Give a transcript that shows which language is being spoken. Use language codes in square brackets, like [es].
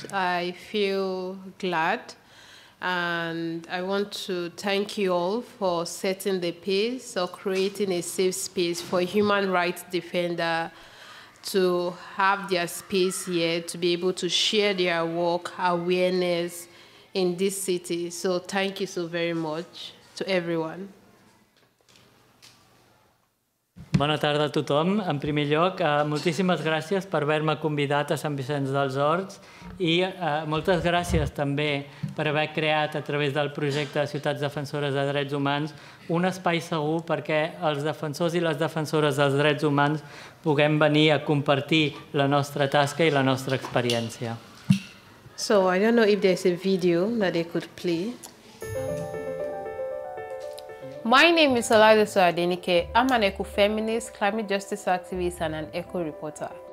[en] I feel glad, and I want to thank you all for setting the pace or creating a safe space for human rights defenders to have their space here, to be able to share their work, awareness in this city. So thank you so very much to everyone. [ca] Bona tarda a tothom. En primer lloc, moltíssimes gràcies per haver-me convidat a Sant Vicenç dels Horts i moltes gràcies també per haver creat a través del projecte de Ciutats Defensores de Drets Humans un espai segur perquè els defensors i les defensores dels drets humans puguem venir a compartir la nostra tasca i la nostra experiència. [en] So, I don't know if there's a video that they could play. My name is Oladiso Adenike. I'm an eco-feminist, climate justice activist, and an eco-reporter.